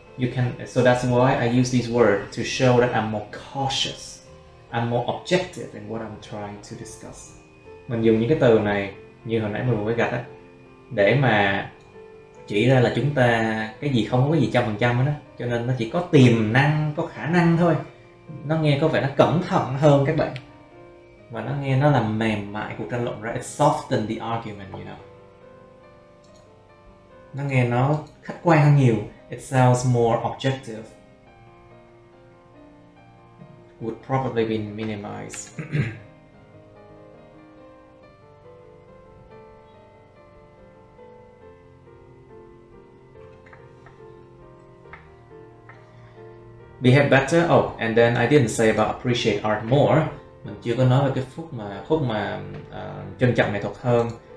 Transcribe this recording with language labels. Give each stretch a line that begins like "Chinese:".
English: You can, so that's why I use these words to show that I'm more cautious. I'm more objective in what I'm trying to discuss.
Vietnamese: Mình dùng những cái từ này như hồi nãy mình vừa mới gạch á, để mà chỉ ra là chúng ta cái gì không có cái gì 100% hết á, cho nên nó chỉ có tiềm năng, có khả năng thôi. Nó nghe có vẻ nó cẩn thận hơn các bạn. Và nó nghe nó làm mềm mại cuộc tranh luận, right?
English: It softens the argument, you know.
Vietnamese: Nó nghe nó khách quan hơn nhiều.
English: It sounds more objective. Would probably be minimized. Behave better. Oh, and then I didn't say about appreciate art more.
Vietnamese: Mình chưa có nói về cái khúc mà trân trọng nghệ thuật hơn.